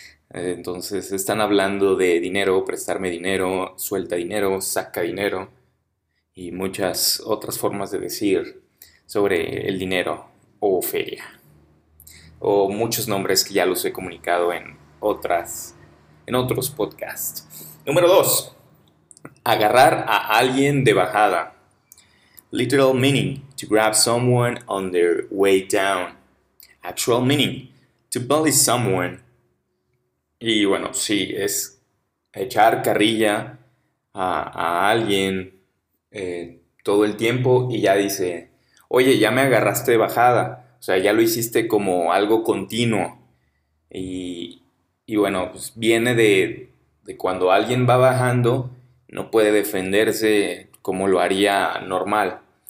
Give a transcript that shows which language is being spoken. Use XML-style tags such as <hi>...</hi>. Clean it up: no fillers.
<es>Entonces están hablando de dinero, prestarme dinero, suelta dinero, saca dinero y muchas otras formas de decir sobre el dinero o feria. O muchos nombres que ya los he comunicado en otros podcasts. Número 2. Agarrar a alguien de bajada.</es> <en>Literal meaning, to grab someone on their way down. Actual meaning, to bully someone.</en> <es>Y bueno, sí, es echar carrilla a alguien todo el tiempo y ya dice, oye, ya me agarraste de bajada. O sea, ya lo hiciste como algo continuo. Y bueno, pues viene de cuando alguien va bajando, no puede defenderse como lo haría normal.</es>